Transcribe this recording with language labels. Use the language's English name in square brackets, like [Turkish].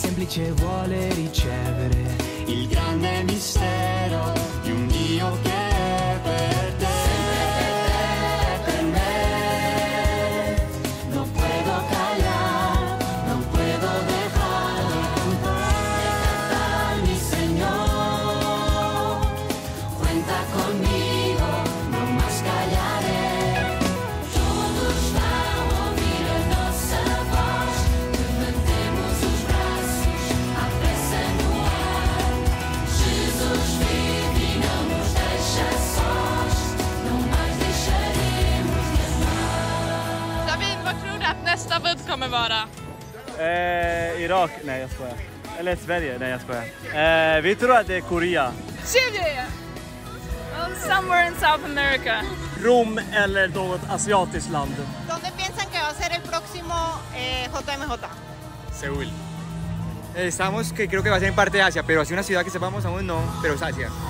[Italian] Che vuole ricevere il grande mistero di un Dio che è per te, sempre per te, per me. [Spanish] Non puedo callar, non puedo dejar de cantare, cantar mi Señor. Cuenta conmigo, non más callaré. Todos vamos a unir en nuestra voz, levantemos sus brazos. [Swedish] Nästa bud kommer vara? Irak, nej jag skojar. Eller Sverige, nej jag skojar. Vi tror att det är Korea. [English] Chile! Somewhere in South America. [Swedish] Rom eller något asiatiskt land. [Spanish] Donde piensan que va a ser el próximo JMJ? Seúl. Estamos, que creo que va a ser en parte de Asia, pero así una ciudad que sepamos aún no, pero es Asia.